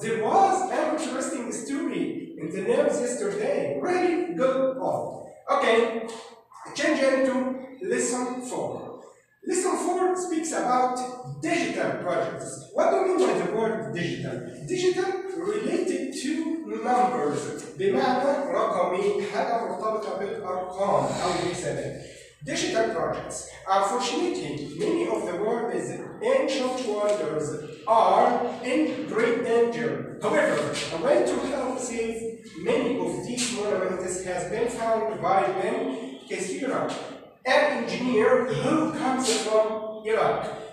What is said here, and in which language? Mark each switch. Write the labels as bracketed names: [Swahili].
[English] There was an interesting story in the news yesterday. Ready? Go on. Okay, change it to lesson 4. Lesson 4 speaks about digital projects. What do you mean by the word digital? Digital related to numbers. [Arabic] بمعنى رقمي حاجة مرتبطة بالأرقام أو بالحسابات. [English] Digital projects. Unfortunately, many of the world's ancient wonders are in great danger. However, a way to help save many of these monuments has been found by Ben Kesira. An engineer who comes from Iraq.